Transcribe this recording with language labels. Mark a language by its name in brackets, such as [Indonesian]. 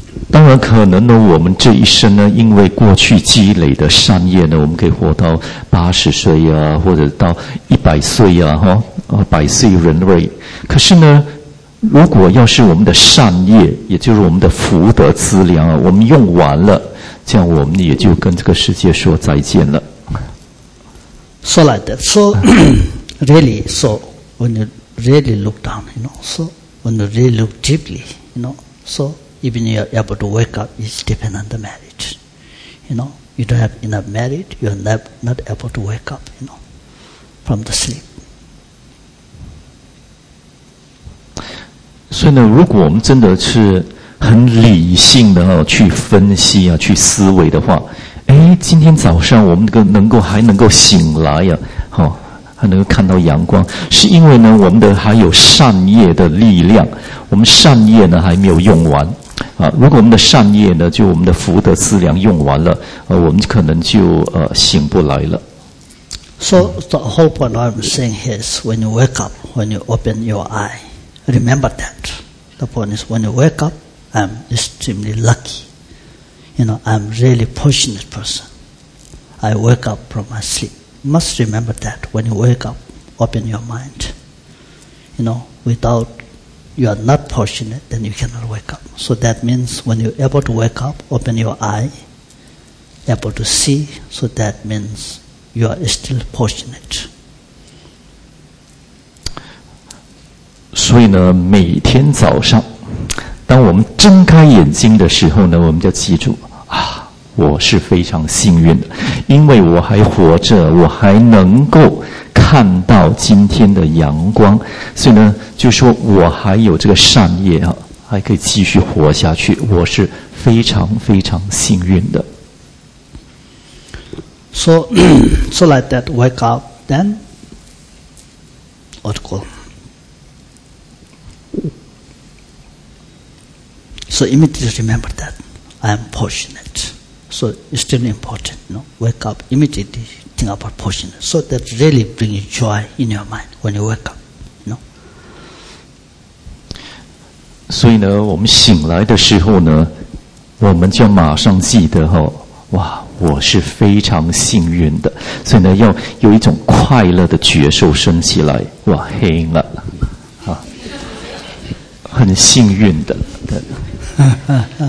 [Chinese] 当然可能呢，我们这一生呢，因为过去积累的善业呢，我们可以活到80岁啊，或者到100岁啊，百岁人瑞。可是呢，如果要是我们的善业，也就是我们的福德资粮啊，我们用完了，这样我们也就跟这个世界说再见了。 [English] So like that. So really, so when you really look down, you know. So when you really look deeply, you know. So even you're able to wake up, it's dependent on the marriage. You know, you don't have enough merit, you're not able to wake up. You know, from the sleep. [Chinese] 所以呢，如果我们真的是很理性的去分析啊，去思维的话，哎，今天早上我们能够醒来呀，还能够看到阳光，是因为呢，我们的还有善业的力量，我们善业呢还没有用完啊。如果我们的善业呢，就我们的福德资粮用完了，我们可能就醒不来了。 [English] So the whole point I'm saying is, when you wake up, when you open your eye. Remember that. The point is, when you wake up, I'm extremely lucky. You know, I'm really fortunate person. I wake up from my sleep. Must remember that. When you wake up, open your mind. You know, without, you are not fortunate, then you cannot wake up. So that means when you're able to wake up, open your eye, able to see, so that means you are still fortunate. [Chinese] 所以呢，每天早上，当我们睁开眼睛的时候呢，我们就记住啊，我是非常幸运的，因为我还活着，我还能够看到今天的阳光。所以呢，就说我还有这个善业啊，还可以继续活下去，我是非常非常幸运的。 [English] So like that, wake up, then what go? So immediately remember that I am fortunate. So it's still important, you know. Wake up immediately, think about fortunate. So that really brings joy in your mind when you wake up, you know. [Chinese] 所以呢，我们醒来的时候呢，我们就马上记得哈，哇，我是非常幸运的。所以呢，要有一种快乐的觉受升起来，哇，很了，啊，很幸运的，对。